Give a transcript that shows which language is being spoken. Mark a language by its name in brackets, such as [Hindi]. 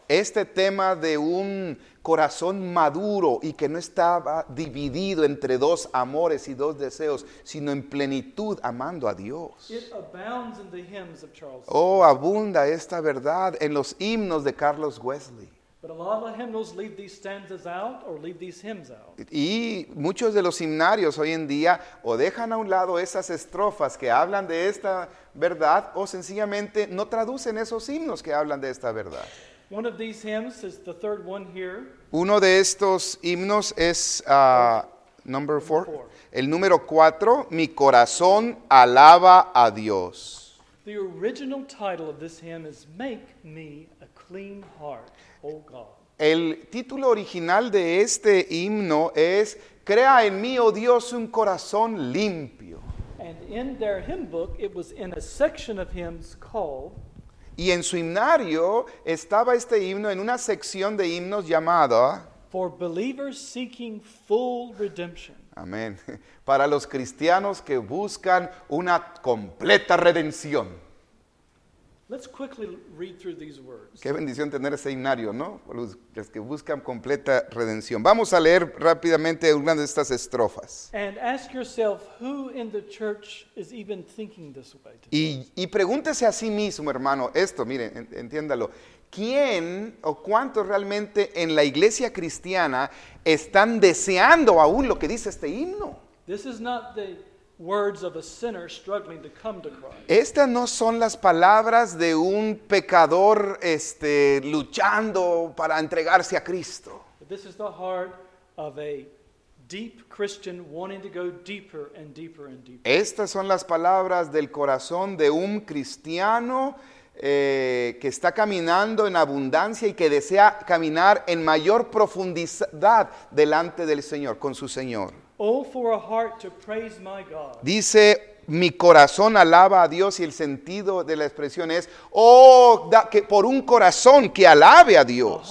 [Spanish] Este tema de un corazón maduro y que no estaba dividido entre dos amores y dos deseos, sino en plenitud amando a Dios. [English] It abounds in the hymns of Charles. [Spanish] Oh, abunda esta verdad en los himnos de Carlos Wesley. [English] But a lot of hymnals leave these stanzas out or leave these hymns out. [Spanish] Y muchos de los himnarios hoy en día o dejan a un lado esas estrofas que hablan de esta verdad o sencillamente no traducen esos himnos que hablan de esta verdad. [English] One of these hymns is the third one here. [Spanish] Uno de estos himnos es [English] number four. [Spanish] El número cuatro, mi corazón alaba a Dios. [English] The original title of this hymn is Make Me a Clean Heart, O God. [Spanish] El título original de este himno es Crea en mí, oh Dios, un corazón limpio. [English] And in their hymn book, it was in a section of hymns called [Spanish] y en su himnario estaba este himno en una sección de himnos llamada [English] For Believers Seeking Full Redemption. [Spanish] Amén. Para los cristianos que buscan una completa redención. [English] Let's quickly read through these words. [Spanish] Qué bendición tener ese himnario, ¿no? Los que buscan completa redención. Vamos a leer rápidamente una de estas estrofas. [English] And ask yourself, who in the church is even thinking this way today? [Spanish] Y pregúntese a sí mismo, hermano, esto, mire, entiéndalo. ¿Quién o cuántos realmente en la iglesia cristiana están deseando aún lo que dice este himno? [English] This is not the words of a sinner struggling to come to Christ. [Spanish] Estas no son las palabras de un pecador luchando para entregarse a Cristo. [English] But this is the heart of a deep Christian wanting to go deeper and deeper and deeper. [Spanish] Estas son las palabras del corazón de un cristiano que está caminando en abundancia y que desea caminar en mayor profundidad delante del Señor, con su Señor. [English] Oh, for a heart to praise my God. [Spanish] Dice, mi corazón alaba a Dios, y el sentido de la expresión es, oh, que por un corazón que alabe a Dios.